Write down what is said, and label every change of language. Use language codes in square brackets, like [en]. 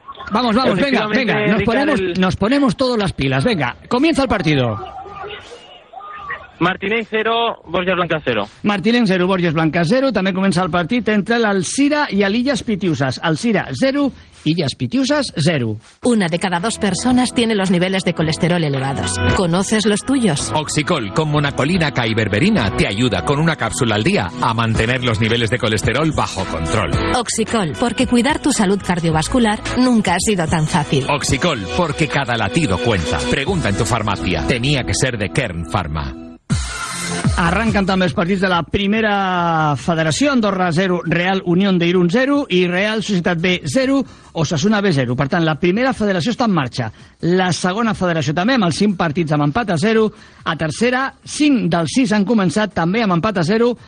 [es] Vamos, vamos, venga, venga, nos ponemos todos las pilas, venga, comienza el partido. Martínez 0, Borges Blanques 0. [ca] Martínez 0, Borges Blanques 0, també comença el partit entre l'Alcira i l'Illes Pitiusas. Alcira 0, Illas Pitiusas, 0. [es] Una de cada dos personas tiene los niveles de colesterol elevados. ¿Conoces los tuyos? Oxicol con monacolinaca y berberina te ayuda con una cápsula al día a mantener los niveles de colesterol bajo control. Oxicol, porque cuidar tu salud cardiovascular nunca ha sido tan fácil. Oxicol, porque cada latido cuenta. Pregunta en tu farmacia. Tenía que ser de Kern Pharma. [ca] Arrancan també els partits de la primera federació, Andorra 0, Real Unión de Irún 0 i Real Societat B 0, Osasuna B 0. Per tant, la primera federació està en marxa. La segona federació també amb els 5 partits amb empat a 0. A tercera, 5 dels 6 han començat també amb empat a 0.